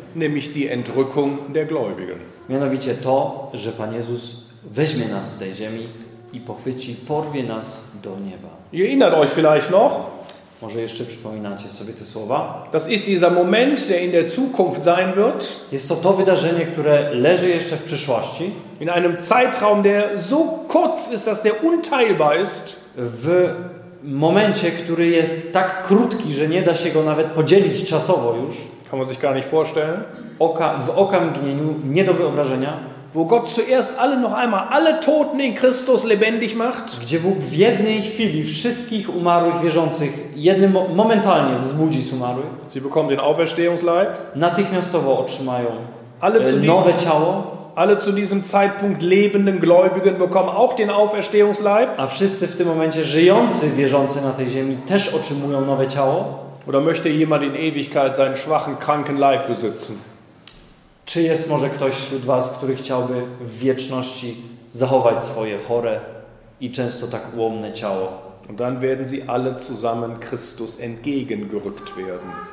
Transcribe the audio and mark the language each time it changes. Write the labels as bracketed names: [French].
[German] Nämlich die Entrückung der Gläubigen. [Polish] Mianowicie to, że Pan Jezus weźmie nas z tej ziemi i pochwyci, porwie nas do nieba. [German] Ihr erinnert euch vielleicht noch? [Polish] Może jeszcze przypominacie sobie te słowa? [German] Das ist dieser Moment, der in der Zukunft sein wird. [Polish] Jest to to wydarzenie, które leży jeszcze w przyszłości. [German] In einem Zeitraum, der so kurz ist, dass der unteilbar ist. [Polish] W momencie, który jest tak krótki, że nie da się go nawet podzielić czasowo już. [German] Kann man sich gar nicht vorstellen. [Polish] W okamgnieniu, nie do wyobrażenia. [German] Wo Gott zuerst alle noch einmal alle Toten in Christus lebendig macht. [Polish] Gdzie Bóg w jednej chwili wszystkich umarłych wierzących jednym momentalnie wzbudzi z umarłych. [German] Sie bekommen den Auferstehungsleib. [Polish] Natychmiastowo otrzymają [German] alle [Polish] nowe ciało. [German] Alle zu diesem Zeitpunkt lebenden Gläubigen bekommen auch den Auferstehungsleib. [Polish] A wszyscy w tym momencie żyjący wierzący na tej ziemi też otrzymują nowe ciało. [German] Oder möchte jemand in Ewigkeit seinen schwachen, kranken Leib besitzen? [Polish] Czy jest może ktoś wśród was, który chciałby w wieczności zachować swoje chore i często tak ułomne ciało? [German] Und dann werden sie alle zusammen Christus entgegengerückt werden.